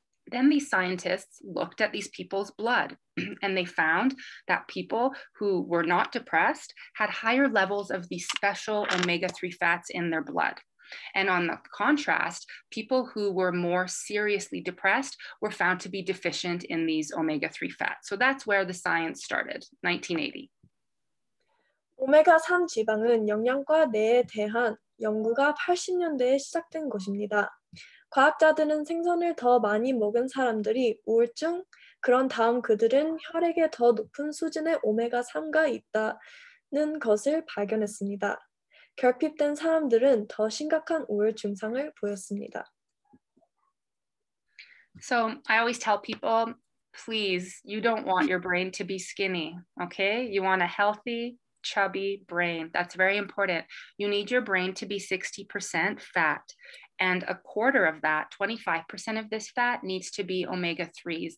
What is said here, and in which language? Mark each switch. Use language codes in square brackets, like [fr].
[en] Then these scientists looked at these people's blood and they found that people who were not depressed had higher levels of these special omega-3 fats in their blood. And on the contrast, people who were more seriously depressed were found to be deficient in these omega-3 fats. So that's where the science started, 1980. [ko] 오메가3 지방은 영양과 뇌에 대한 연구가 80년대에 시작된 것입니다. 과학자들은 생선을 더 많이 먹은 사람들이 우울증, 그런 다음 그들은 혈액에 더 높은 수준의 오메가3가 있다는 것을 발견했습니다. 결핍된 사람들은 더 심각한 우울 증상을 보였습니다. [en] So I always tell people, please, you don't want your brain to be skinny, okay? You want a healthy, chubby brain. That's very important. You need your brain to be 60% fat. And a quarter of that, 25% of this fat, needs to be omega-3s.